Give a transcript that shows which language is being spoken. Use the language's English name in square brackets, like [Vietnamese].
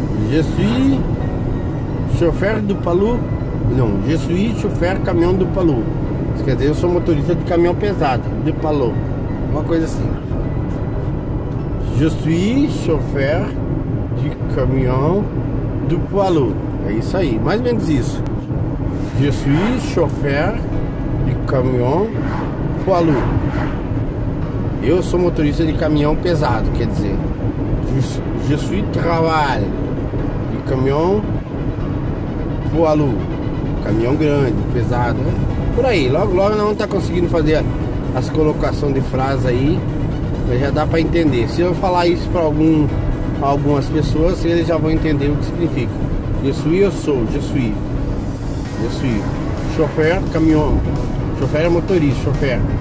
[French] Je suis chauffeur du Palu. [Portuguese] Não, [French] je suis chauffeur [Portuguese] caminhão do [French] Palu. [Portuguese] Isso quer dizer, eu sou motorista de caminhão pesado, de Palu. Uma coisa assim. [French] Je suis chauffeur de [Portuguese] caminhão do [French] Palu. [Portuguese] É isso aí, mais ou menos isso. [French] Je suis chauffeur de caminhão Palu. [Portuguese] Eu sou motorista de caminhão pesado, quer dizer. [French] Je suis travail de caminhão Palu. [Portuguese] Caminhão grande, pesado, né? Por aí, logo logo não tá conseguindo fazer as colocações de frases aí, mas já dá pra entender. Se eu falar isso pra algumas pessoas, eles já vão entender o que significa. [French] Je suis, chauffeur, caminhão, chauffeur [Portuguese] é motorista, [French] chauffeur.